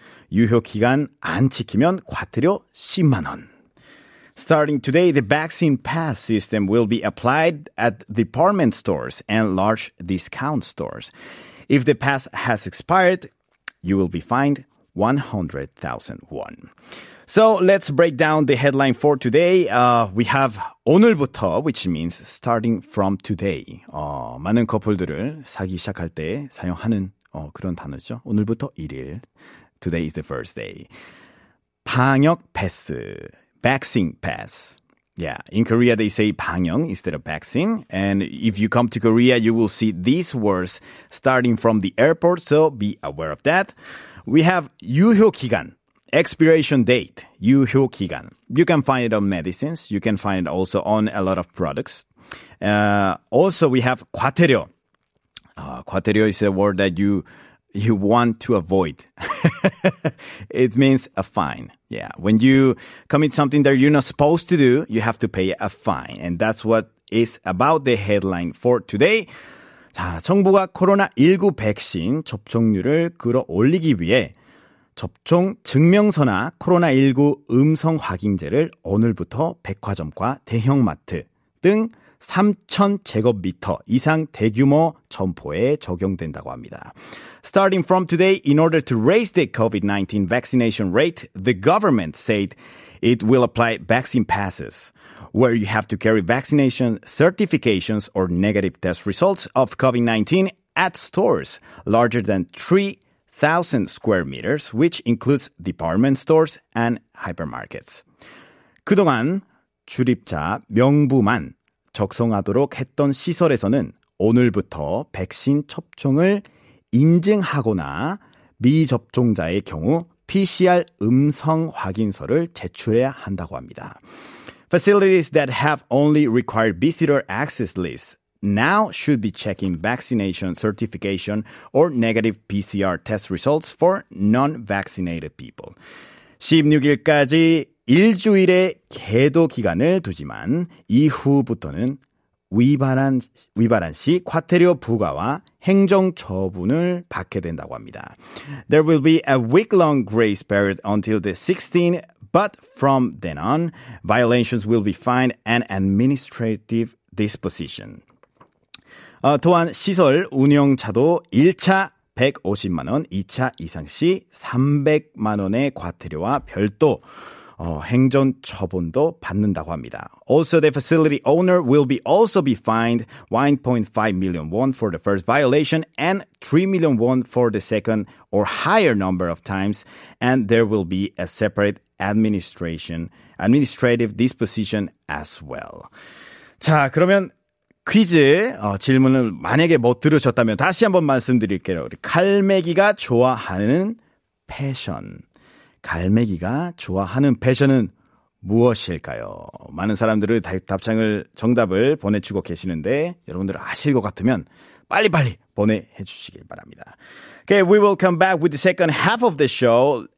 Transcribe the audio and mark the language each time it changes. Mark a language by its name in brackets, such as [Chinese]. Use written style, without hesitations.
[Korean] 유효기간 안 지키면 과태료 10만 원. [English] Starting today, the vaccine pass system will be applied at department stores and large discount stores. If the pass has expired, you will be fined 100,000 won. So let's break down the headline for today. We have 오늘부터, which means starting from today. [Korean] 많은 커플들을 사귀기 시작할 때 사용하는 그런 단어죠. 오늘부터 일일. [English] Today is the first day. 방역 패스. Vaccine pass. Yeah, in Korea they say 방역 instead of vaccine. And if you come to Korea, you will see these words starting from the airport. So be aware of that. We have 유효기간. Expiration date, 유효기간. You can find it on medicines. You can find it also on a lot of products. Also, we have 과태료. 과태료 is a word that you want to avoid. It means a fine. Yeah, when you commit something that you're not supposed to do, you have to pay a fine. And that's what is about the headline for today. [Korean] 자, 정부가 코로나19 백신 접종률을 끌어올리기 위해 접종 증명서나 코로나19 음성 확인제를 오늘부터 백화점과 대형마트 등 3,000제곱미터 이상 대규모 점포에 적용된다고 합니다. [English] Starting from today, in order to raise the COVID-19 vaccination rate, the government said it will apply vaccine passes, where you have to carry vaccination certifications or negative test results of COVID-19 at stores larger than 3,000 square meters, which includes department stores and hypermarkets. [Korean] 그동안 출입자 명부만 적성하도록 했던 시설에서는 오늘부터 백신 접종을 인증하거나 미접종자의 경우 PCR 음성 확인서를 제출해야 한다고 합니다. [English] Facilities that have only required visitor access lists now should be checking vaccination certification or negative PCR test results for non-vaccinated people. [Korean] 16일까지 일주일의 계도 기간을 두지만 이후부터는 위반한 시 과태료 부과와 행정 처분을 받게 된다고 합니다. [English] There will be a week-long grace period until the 16th, but from then on, violations will be fined and administrative disposition. [Korean] 또한 시설 운영자도 1차 150만 원, 2차 이상 시 300만 원의 과태료와 별도 행정 처분도 받는다고 합니다. [English] Also, the facility owner will be also be fined 1.5 million won for the first violation and 3 million won for the second or higher number of times, and there will be a separate administrative disposition as well. [Korean] 자, 그러면 퀴즈 질문을 만약에 못 들으셨다면 다시 한번 말씀드릴게요. 우리 갈매기가 좋아하는 패션. 갈매기가 좋아하는 패션은 무엇일까요? 많은 사람들을 답장을 정답을 보내주고 계시는데 여러분들 아실 것 같으면 빨리 보내주시길 바랍니다. [English] Okay, we will come back with the second half of the show.